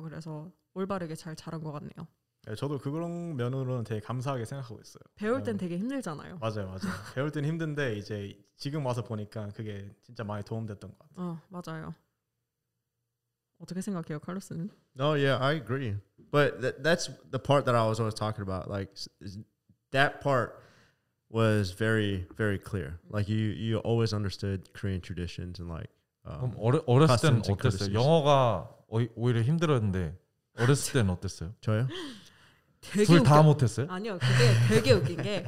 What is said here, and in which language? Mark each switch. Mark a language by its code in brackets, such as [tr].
[ko] 그래서 올바르게 잘 자란 것 같네요. 네, 저도 그런 면으로는 되게 감사하게 생각하고 있어요. 배울 땐 되게 힘들잖아요. 맞아요, 맞아요. 배울 땐 힘든데 이제 지금 와서 보니까 그게 진짜 많이 도움됐던 것 같아요. 어, 맞아요. 어떻게 생각해요, 칼로스는? [en] No, yeah, I agree. But that's the part that I was always talking about. Like that part was very, very clear. Like you always understood Korean traditions and like. [ko] 그럼 어렸을 때는 어땠어요? 영어가 오히려 힘들었는데 어렸을 때는 어땠어요? 저요? 둘 다 못했어요? 아니요, 그게 되게 웃긴 게